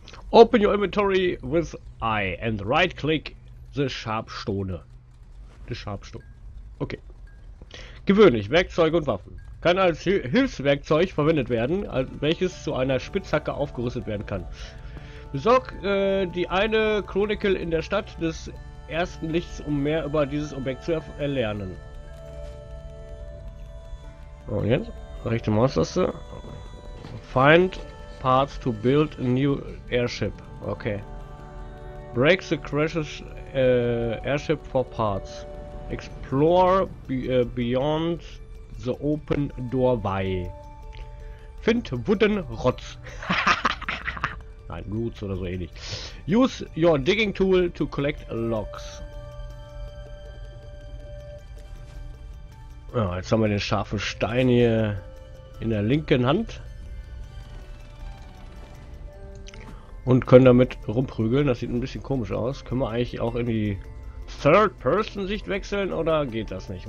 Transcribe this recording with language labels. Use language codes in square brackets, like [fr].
[en] Open your inventory with I and right click the Schabstone. [de] Die Schabstone. Okay. Gewöhnlich, Werkzeuge und Waffen. Kann als Hilfswerkzeug verwendet werden, welches zu einer Spitzhacke aufgerüstet werden kann. Besorg die eine Chronicle in der Stadt des ersten Lichts, um mehr über dieses Objekt zu erlernen. Und jetzt? Rechte Maustaste. [en] Find parts to build a new airship. Okay. Break the crashes airship for parts. Explore beyond the open doorway. Find wooden rods. [de] Nein, Roots oder so ähnlich. [en] Use your digging tool to collect logs. [de] Ja, jetzt haben wir den scharfen Stein hier in der linken Hand. Und können damit rumprügeln. Das sieht ein bisschen komisch aus. Können wir eigentlich auch in die Third-Person-Sicht wechseln oder geht das nicht?